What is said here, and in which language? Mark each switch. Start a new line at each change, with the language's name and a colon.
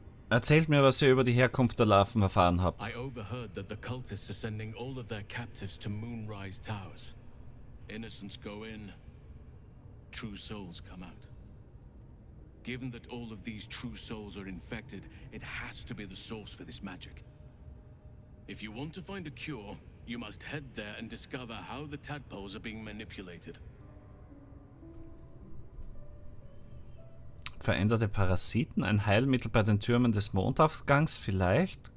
German: Erzählt mir, was ihr über die Herkunft der Larven erfahren habt.
English: I overheard that the cultists are sending all of their captives to Moonrise Towers. Innocents go in, true souls come out. Given that all of these true souls are infected, it has to be the source for this magic. If you want to find a cure, you must head there and discover how the tadpoles are being manipulated.
German: Veränderte Parasiten, ein Heilmittel bei den Türmen des Mondaufgangs, vielleicht.